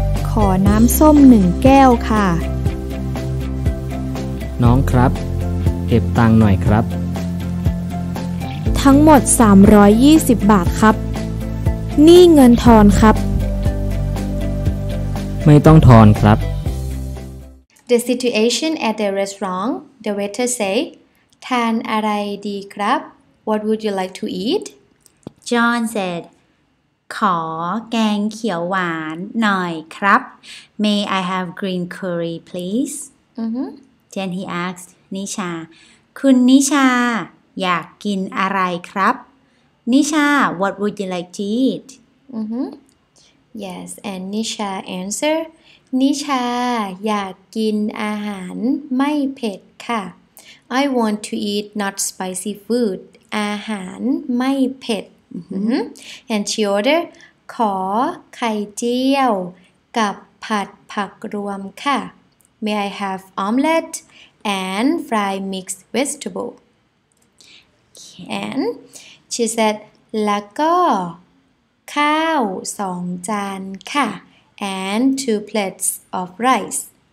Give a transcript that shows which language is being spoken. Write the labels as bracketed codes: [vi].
[th] ขอน้ำส้ม1แก้วค่ะ น้องครับเก็บตังค์หน่อยครับ ทั้งหมด320บาทครับนี่เงินทอนครับ ไม่ต้องทอนครับ [en] The situation at the restaurant, the waiter say, [th] Tan arai di krab, [en] what would you like to eat? John said, [th] Khaw gang khiao wan noi krab. [en] May I have green curry, please? Then he asked Nisha, [th] Kun Nisha, yak gin arai krab? [en] Nisha, what would you like to eat? Yes, and Nisha answered, [th] นิชาอยากกินอาหารไม่เผ็ดค่ะ [en] I want to eat not spicy food [th] อาหารไม่เผ็ด [en] And she ordered [th] ขอไข่เจียวกับผัดผักรวมค่ะ [en] May I have omelette and fry mixed vegetable And she said [th] แล้วก็ข้าว2จานค่ะ [en] And two plates of rice.